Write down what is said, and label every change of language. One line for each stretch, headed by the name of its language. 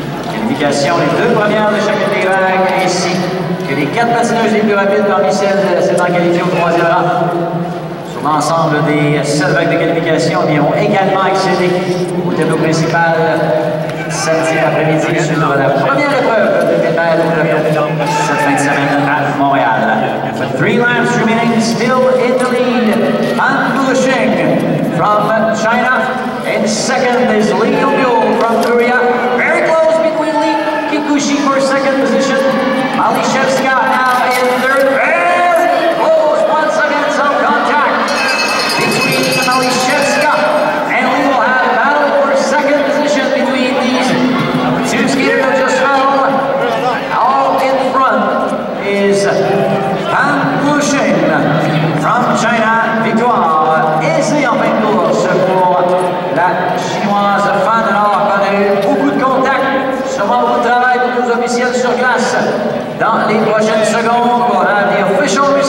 French: Qualification, les deux premières de chacune des vagues ici. Que les quatre patineuses les plus rapides parmi celles s'étant qualifiées au troisième rang. Sur l'ensemble des 7 vagues de qualification, ils ont également accédé au tableau principal samedi après-midi sur la première épreuve de Pépère de cette fin de semaine à Montréal.
English: For 3 laps remaining, still in the lead, Han Fuxing from China. In second is Lee Yong-yu from Korea. Very close between Lee Kikuchi for second position. Malyshevska now in third, and close once again, so contact between Malyshevska, and we will have a battle for second position between these two skaters who just fell. All in front is Han Fuxing from China. Victoire is the open course for
French: la Chinoise
English: Fan.
French: Alors, on a eu beaucoup de contact, sûrement beaucoup de travail pour nos officiels sur glace. Dans les prochaines secondes, on va avoir l'official.